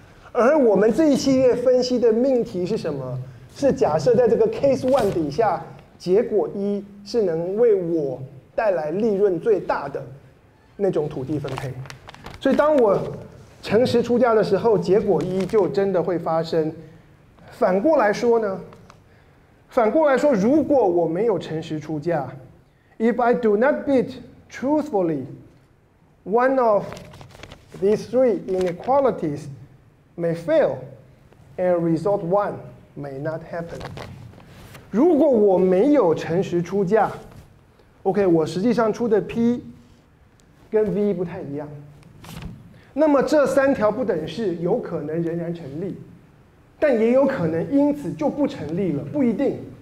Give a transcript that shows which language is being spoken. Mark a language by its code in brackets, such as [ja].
[zh] 而我们这一系列分析的命题是什么？是假设在这个 case one 底下，结果一是能为我带来利润最大的那种土地分配。所以当我诚实出价的时候，结果一就真的会发生。反过来说呢？反过来说，如果我没有诚实出价， [en] If I do not bid truthfully, one of these three inequalities may fail, and result one may not happen. [zh] 如果我没有诚实出价 ，OK， 我实际上出的 P 跟 V 不太一样，那么这三条不等式有可能仍然成立，但也有可能因此就不成立了，不一定。